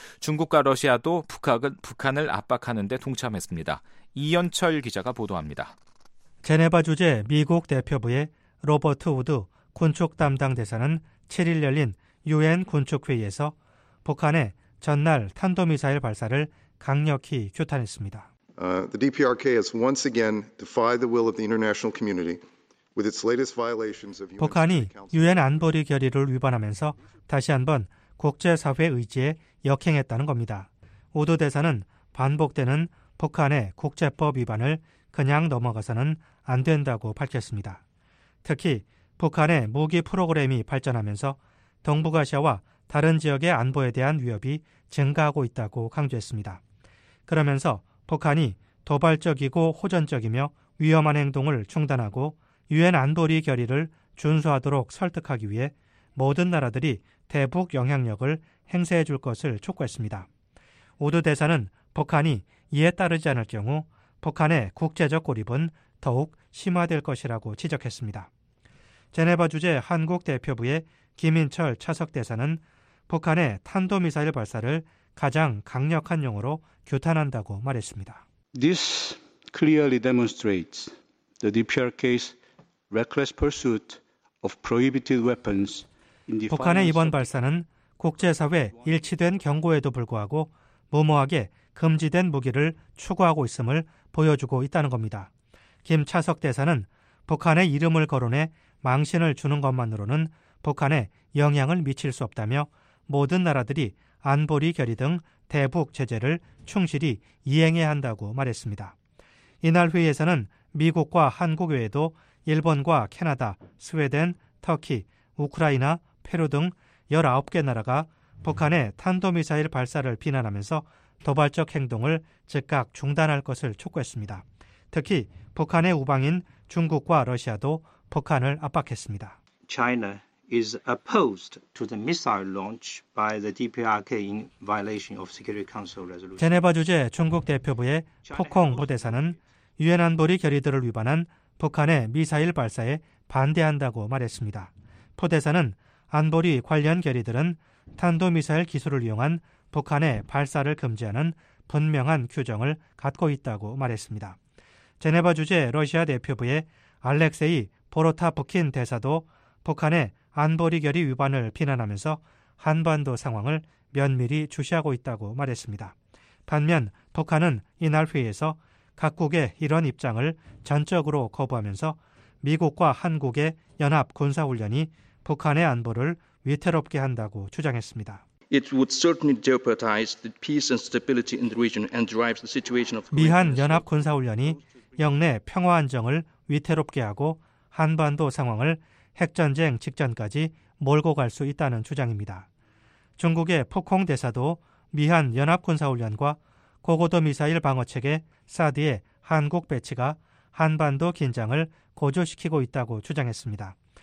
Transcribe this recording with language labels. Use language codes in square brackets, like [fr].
[ko] 중국과 러시아도 북한을 압박하는 데 동참했습니다. 이현철 기자가 보도합니다. 제네바 주재 미국 대표부의 로버트 우드 군축 담당 대사는 7일 열린 유엔 군축회의에서 북한의 전날 탄도미사일 발사를 강력히 규탄했습니다. [en] The DPRK has once again defied the will of the international community with its latest violations of UN [ko] 북한이 유엔 안보리 결의를 위반하면서 다시 한번 국제사회 의지에 역행했다는 겁니다. 우드 대사는 반복되는 북한의 국제법 위반을 그냥 넘어가서는 안 된다고 밝혔습니다. 특히 북한의 무기 프로그램이 발전하면서 동북아시아와 다른 지역의 안보에 대한 위협이 증가하고 있다고 강조했습니다. 그러면서 북한이 도발적이고 호전적이며 위험한 행동을 중단하고 유엔 안보리 결의를 준수하도록 설득하기 위해 모든 나라들이 대북 영향력을 행사해 줄 것을 촉구했습니다. 우드 대사는 북한이 이에 따르지 않을 경우 북한의 국제적 고립은 더욱 심화될 것이라고 지적했습니다. 제네바 주재 한국 대표부의 김인철 차석 대사는 북한의 탄도미사일 발사를 가장 강력한 용어로 규탄한다고 말했습니다. [en] This clearly demonstrates the DPRK's reckless pursuit of prohibited weapons. [ko] 북한의 이번 발사는 국제사회 일치된 경고에도 불구하고 무모하게 금지된 무기를 추구하고 있음을 보여주고 있다는 겁니다. 김 차석 대사는 북한의 이름을 거론해 망신을 주는 것만으로는 북한에 영향을 미칠 수 없다며 모든 나라들이 안보리 결의 등 대북 제재를 충실히 이행해야 한다고 말했습니다. 이날 회의에서는 미국과 한국 외에도 일본과 캐나다, 스웨덴, 터키, 우크라이나, 페루 등 19개 나라가 북한의 탄도미사일 발사를 비난하면서 도발적 행동을 즉각 중단할 것을 촉구했습니다. 특히 북한의 우방인 중국과 러시아도 북한을 압박했습니다. [en] China is opposed to the missile launch by the DPRK in violation of Security Council resolution. [ko] 제네바 주재 중국 대표부의 포콩 부대사는 유엔 안보리 결의들을 위반한 북한의 미사일 발사에 반대한다고 말했습니다. 부대사는 안보리 관련 결의들은 탄도미사일 기술을 이용한 북한의 발사를 금지하는 분명한 규정을 갖고 있다고 말했습니다. 제네바 주재 러시아 대표부의 알렉세이 보로타프킨 대사도 북한의 안보리 결의 위반을 비난하면서 한반도 상황을 면밀히 주시하고 있다고 말했습니다. 반면 북한은 이날 회의에서 각국의 이런 입장을 전적으로 거부하면서 미국과 한국의 연합 군사훈련이 북한의 안보를 위태롭게 한다고 주장했습니다. [en] It would certainly jeopardize the peace and stability in the region and drives the situation of [ko] 미한 연합 군사훈련이 영내 평화 안정을 위태롭게 하고 한반도 상황을 핵전쟁 직전까지 몰고 갈 수 있다는 주장입니다. 중국의 포콩 대사도 미한 연합군사훈련과 고고도 미사일 방어체계 사드의 한국 배치가 한반도 긴장을 고조시키고 있다고 주장했습니다.